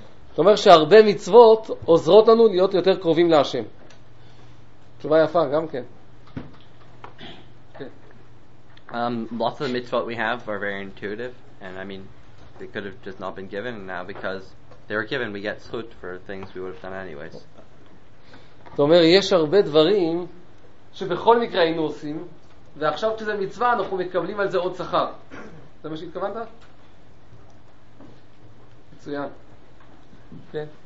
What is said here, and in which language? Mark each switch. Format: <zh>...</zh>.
<he>זאת אומרת שהרבה מצוות עוזרות לנו להיות יותר קרובים להשם. תשובה יפה, גם כן.</he> <en>Lots of the mitzvot we have are very intuitive, and I mean, it could have just not been given, and now because they were given we get zchut for things we would have done anyways.</en> <he>אתה אומר יש הרבה דברים שבכל מקרה היינו עושים ועכשיו כשזה מצווה אנחנו מקבלים על זה עוד שכר. זה מה שהתכוונת? מצוין. כן.</he>